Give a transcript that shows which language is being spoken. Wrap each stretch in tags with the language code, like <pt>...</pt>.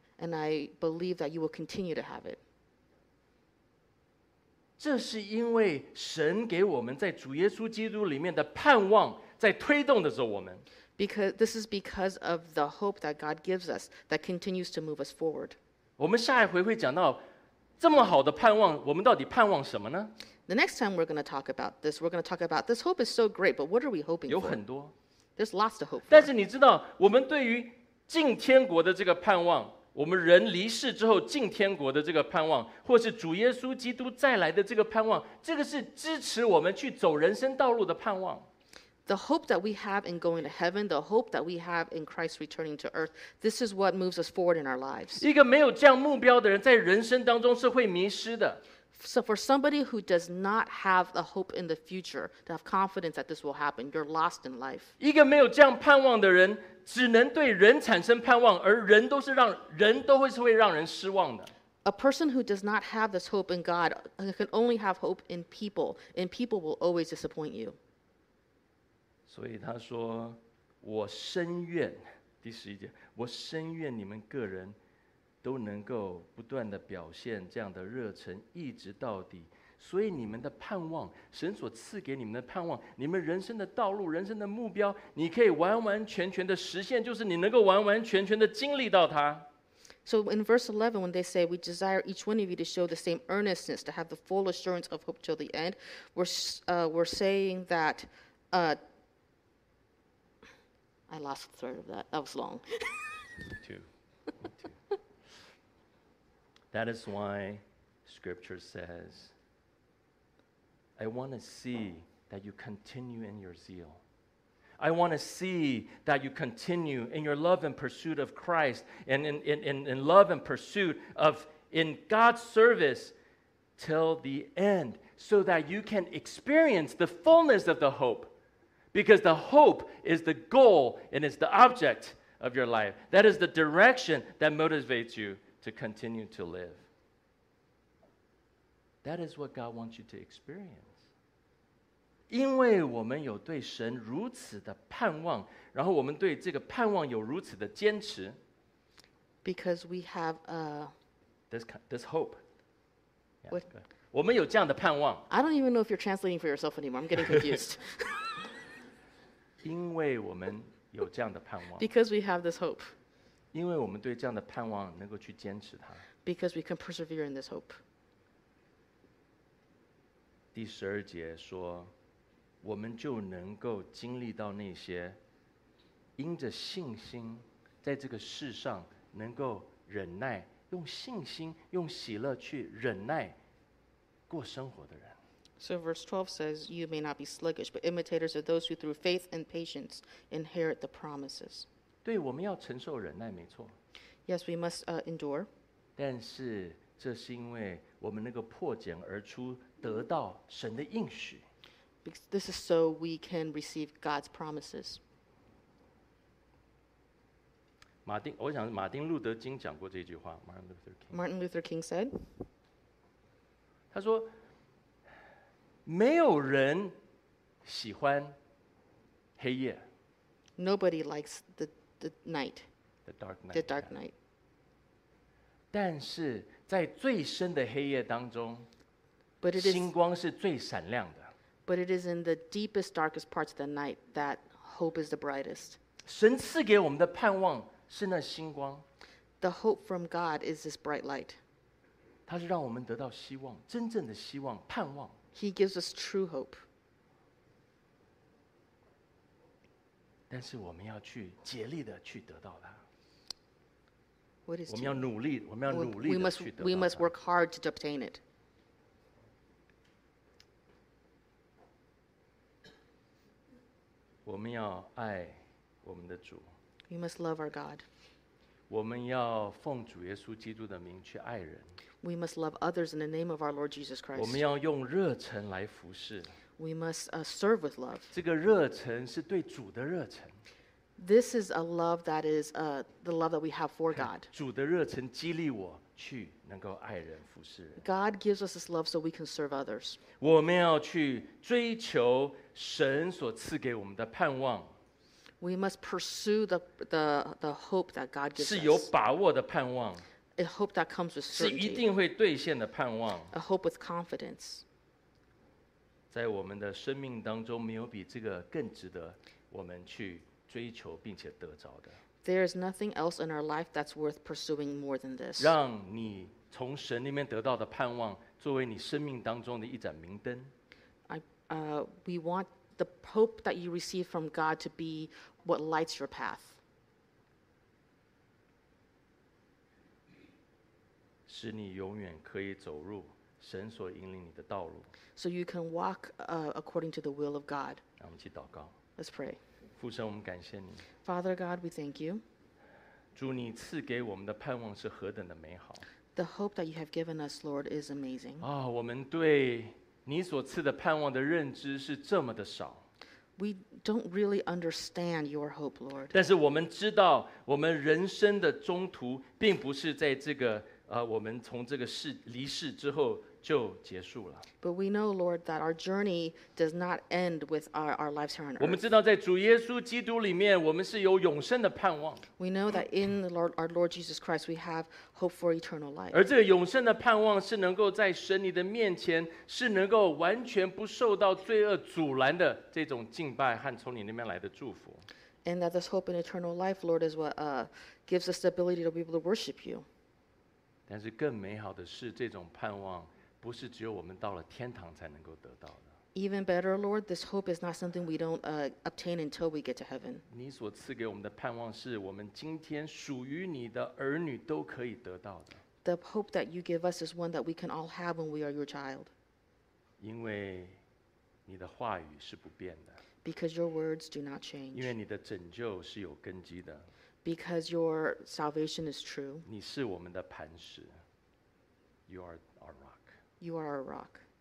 <en>And I believe that you will continue to have it.</en> <zh>这是因为神给我们在主耶稣基督里面的盼望在推动的时候我们。</zh> <en>This is because of the hope that God gives us that continues to move us forward.</en> <zh>我们下一回会讲到这么好的盼望，我们到底盼望什么呢？</zh> <en>The next time we're going to talk about this, we're going to talk about this hope is so great, but what are we hoping for?</en> <zh>有很多。</zh> <en>There's lots to hope for.</en> <zh>但是你知道，我们对于进天国的这个盼望，我们人离世之后进天国的这个盼望，或是主耶稣基督再来的这个盼望，这个是支持我们去走人生道路的盼望。</zh> <en>The hope that we have in going to heaven, the hope that we have in Christ returning to earth, this is what moves us forward in our lives.</en> <zh>一个没有这样目标的人，在人生当中是会迷失的。</zh> <en>So for somebody who does not have a hope in the future, to have confidence that this will happen, you're lost in life.</en> <zh>一个没有这样盼望的人，只能对人产生盼望，而人都会是会让人失望的。</zh> <en>A person who does not have this hope in God can only have hope in people, and people will always disappoint you.</en> <zh>所以他说，我深愿，第十一节，我深愿你们个人都能够不断地表现这样的热忱一直到底，所以你们的盼望，神所赐给你们的盼望，你们人生的道路，人生的目标，你可以完完全全的实现，就是你能够完完全全的经历到它。</zh> <en>So in verse 11, when they say, we desire each one of you to show the same earnestness, to have the full assurance of hope till the end, we're saying that, I lost the thread of that. That was long. Two. That is why Scripture says, I want to see that you continue in your zeal. I want to see that you continue in your love and pursuit of Christ and in love and pursuit of in God's service till the end so that you can experience the fullness of the hope because the hope is the goal and is the object of your life. That is the direction that motivates you. to continue to live. That is what God wants you to experience.</en> <zh>因为我们有对神如此的盼望，然后我们对这个盼望有如此的坚持。</zh> <en>Because we have a this hope. Yeah, what?</en> <zh>我们有这样的盼望。</zh> <en>I don't even know if you're translating for yourself anymore. I'm getting confused.</en> <zh>因为我们有这样的盼望。</zh> <en>Because we have this hope.</en> <zh>因为我们对这样的盼望能够去坚持它。</zh> <en>Because we can persevere in this hope.</en> <zh>第十二节说，我们就能够经历到那些因着信心在这个世上能够忍耐，用信心，用喜乐去忍耐。</zh> <en>So verse 12 says, you may not be sluggish, but imitators of those who through faith and patience inherit the promises.</en> <zh>对，我们要承受忍耐，没错。</zh> <en>Yes, we must endure.</en> <zh>但是这是因为我们能够破茧而出，得到神的应许。</zh> <en>Because this is so we can receive God's promises.</en> <zh>马丁，我想马丁路德金讲过这句话。</zh> <en>Martin Luther King. Martin Luther King said.</en> <zh>他说没有人喜欢黑夜。</zh> <en>Nobody likes the night. The dark night. The dark night.</en> <zh>但是在最深的黑夜当中，</zh> <en>but it is,</en> <zh>星光是最闪亮的。</zh> <en>But it is in the deepest, darkest parts of the night that hope is the brightest.</en> <zh>神赐给我们的盼望是那星光。</zh> <en>The hope from God is this bright light.</en> <zh>他是让我们得到希望，真正的希望，盼望。</zh> <en>He gives us true hope.</en> <zh>但是我们要去竭力的去得到它。</zh> <en>What is</en> <zh>我们要努力，我们要努力的去得到它。</zh> <en>We must work hard to obtain it.</en> <zh>我们要爱我们的主。</zh> <en>We must love our God.</en> <zh>我们要奉主耶稣基督的名去爱人。</zh> <en>We must love others in the name of our Lord Jesus Christ.</en> <zh>我们要用热忱来服侍。</zh> <en>We must serve with love.</en> <zh>这个热忱是对主的热忱。</zh> <en>This is a love that is the love that we have for God.</en> <zh>主的热忱激励我去能够爱人服侍人。</zh> <en>God gives us this love so we can serve others.</en> <zh>我们要去追求神所赐给我们的盼望。</zh> <en>We must pursue the hope that God gives us.</en> <zh>是有把握的盼望。</zh> <en>A hope that comes with certainty.</en> <zh>是一定会兑现的盼望。</zh> <en>A hope with confidence.</en> <zh>在我们的生命当中，没有比这个更值得我们去追求并且得着的。</zh> <en>There is nothing else in our life that's worth pursuing more than this.</en> <zh>让你从神里面得到的盼望，作为你生命当中的一盏明灯。</zh> <en>We want the hope that you receive from God to be what lights your path.</en> <zh>使你永远可以走入神所引领你的道路。</zh> <en>So you can walk according to the will of God.</en> <zh>让我们去祷告。</zh> <en>Let's pray.</en> <zh>父神，我们感谢你。</zh> <en>Father God, we thank you.</en> <zh>主，你赐给我们的盼望是何等的美好。</zh> <en>The hope that you have given us, Lord, is amazing.</en> <zh>啊，我们对你所赐的盼望的认知是这么的少。</zh> <en>We don't really understand your hope, Lord.</en> <zh>但是我们知道，我们人生的中途并不是在这个。我们从这个世离世之后就结束了。</zh> <en>But we know, Lord, that our journey does not end with our lives here on earth.</en> <zh>我们知道，在主耶稣基督里面，我们是有永生的盼望。</zh> <en>We know that in the Lord, our Lord Jesus Christ, we have hope for eternal life.</en> <zh>而这个永生的盼望是能够在神你的面前，是能够完全不受到罪恶阻拦的这种敬拜和从你那边来的祝福。</zh> <en>And that this hope in eternal life, Lord, is what gives us the ability to be able to worship you.</en> <zh>但是更美好的是，这种盼望不是只有我们到了天堂才能够得到的。</zh> <en>Even better, Lord, this hope is not something we don't obtain until we get to heaven.</en> <zh>你所赐给我们的盼望是我们今天属于你的儿女都可以得到的。</zh> <en>The hope that you give us is one that we can all have when we are your child.</en> <zh>因为你的话语是不变的。</zh> <en>Because your words do not change.</en> <zh>因为你的拯救是有根基的。</zh> <en>Because your salvation is true.</en> <zh>你是我们的磐石。</zh> <en>You are our rock. You are our rock.</en>